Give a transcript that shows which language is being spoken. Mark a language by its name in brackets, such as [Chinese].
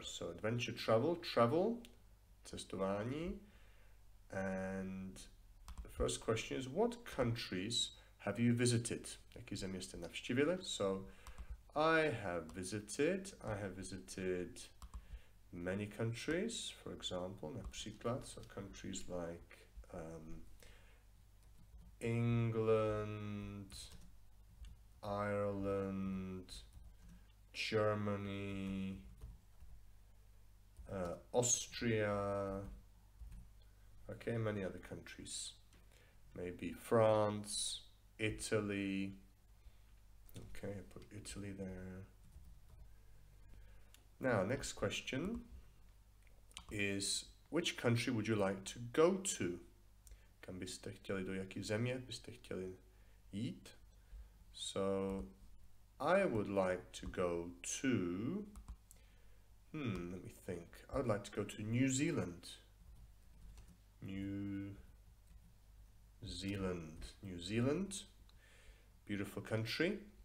[English] So adventure, travel, cestování. And the first question is, what countries have you visited? [Czech] Jaké země jste navštívili? [English] So I have visited many countries, for example, například, so countries like England, Ireland, Germany, Austria, okay, many other countries, maybe France, Italy, okay, I put Italy there. Now, next question is, which country would you like to go to? [Czech] Kam byste chtěli, do jaké země byste chtěli jít? [English] So, I would like to go to, let me think, I would like to go to New Zealand, beautiful country.